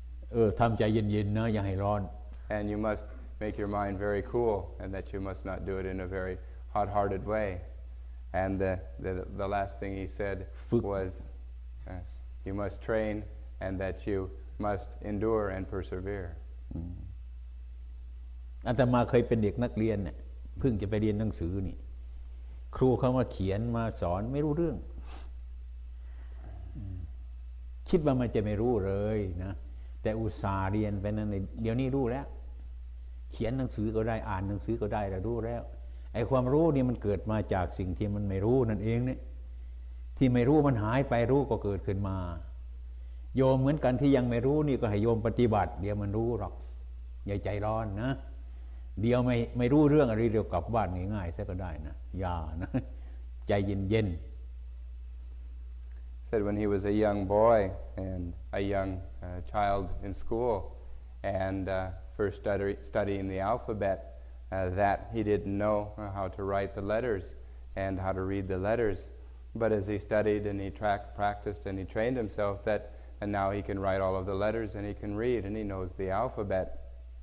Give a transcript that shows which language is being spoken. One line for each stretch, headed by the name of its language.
English: And you must make your mind very cool, and that you must not do it in a very hot-hearted way. And the last thing he said was, you must train, and that you must endure and persevere.
Thai: อาตมาเคยเป็นเด็กนักเรียนเนี่ยเพิ่งจะไปเรียนหนังสือนี่ครูเขามาเขียนมาสอนไม่รู้เรื่องคิดว่ามันจะไม่รู้เลยนะแต่อุตส่าห์เรียนไปนั่นเดี๋ยวนี้รู้แล้วเขียนหนังสือก็ได้อ่านหนังสือก็ได้แล้วรู้แล้วไอ้ความรู้นี่มันเกิดมาจากสิ่งที่มันไม่รู้นั่นเองเนี่ยที่ไม่รู้มันหายไปรู้ก็เกิดขึ้นมา โยมเหมือนกันที่ยังไม่รู้นี่ก็ให้โยมปฏิบัติเดี๋ยวมันรู้หรอกอย่าใจร้อนนะเดี๋ยวไม่รู้เรื่องอะไรเดี๋ยวกลับบ้านง่ายๆซะก็ได้นะอย่านะใจเย็น
English: ๆ said when he was a young boy and a young child in school and first studying the alphabet that he didn't know how to write the letters and how to read the lettersBut as he studied and he practiced and he trained himself that, and now he can write all of the letters and he can read and he knows the alphabet.